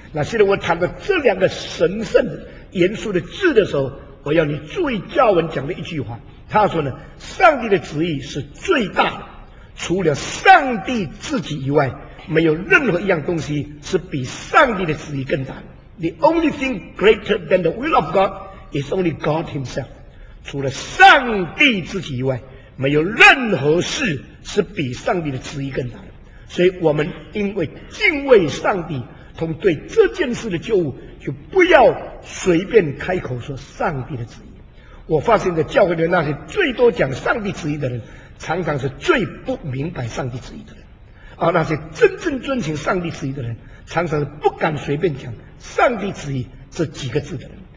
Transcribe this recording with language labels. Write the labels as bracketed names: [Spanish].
[Chinese] 那现在我谈到这两个神圣的、严肃的字的时候，我要你注意加尔文讲的一句话。他说呢，上帝的旨意是最大的，除了上帝自己以外，没有任何一样东西是比上帝的旨意更大的。 [English] The only thing greater than the will of God is only God Himself. [Chinese] 除了上帝自己以外，没有任何事是比上帝的旨意更大的。所以我们因为敬畏上帝同对这件事的救恶，就不要随便开口说上帝的旨意。我发现在教会里那些最多讲上帝旨意的人，常常是最不明白上帝旨意的人，而那些真正遵循上帝旨意的人，常常是不敢随便讲上帝旨意这几个字的人。